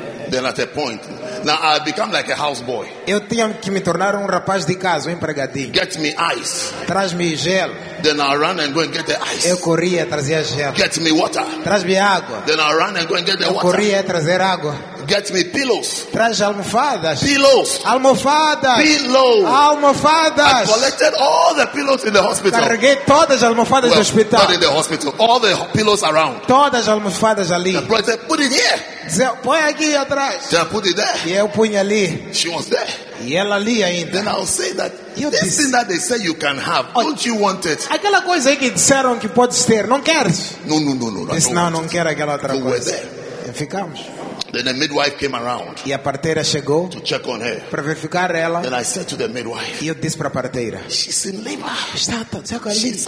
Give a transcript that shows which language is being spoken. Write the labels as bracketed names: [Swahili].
[English] Then at a point, now I become like a houseboy. [Portuguese] Eu tinha que me tornar um rapaz de casa, um empregadinho. [English] Get me ice. [Portuguese] Traz-me gelo. [English] Then I run and go and get the ice. [Portuguese] Eu corria trazia gelo. [English] Get me water. [Portuguese] Traz-me água. [English] Then I run and go and get the [Portuguese] Eu [English] water. [Portuguese] Eu corria trazer água. [English] Get me pillows. [Portuguese] Traz almofadas. [English] Pillows. [Portuguese] Almofadas. [English] Pillow. [Portuguese] Almofadas. [English] I collected all the pillows in the hospital. [Portuguese] Carreguei todas as almofadas [English] well, [Portuguese] do hospital. [English] Not in the hospital. All the pillows around. [Portuguese] Todas as almofadas ali. [English] The brother said, put it here. [Portuguese] Dizia, põe aqui atrás. [English] Then I put it there. [Portuguese] E eu punho ali. [English] She was there. [Portuguese] E ela ali ainda. [English] Then I'll say that [Portuguese] eu [English] this [Portuguese] disse, [English] thing that they say you can have, oh, don't you want it? [Portuguese] Aquela coisa que disseram que podes ter, não queres? [English] No, no, no, no. [Portuguese] Disse, não, não quero aquela outra [English] we [Portuguese] coisa. [English] Were there. [Portuguese] E ficamos. [English] Then the midwife came around. [Portuguese] E a parteira chegou [English] to check on her. [Portuguese] Para verificar ela. [English] Then I said to the midwife. [Portuguese] E eu disse para a parteira. [English] She's in labor. [Portuguese] Está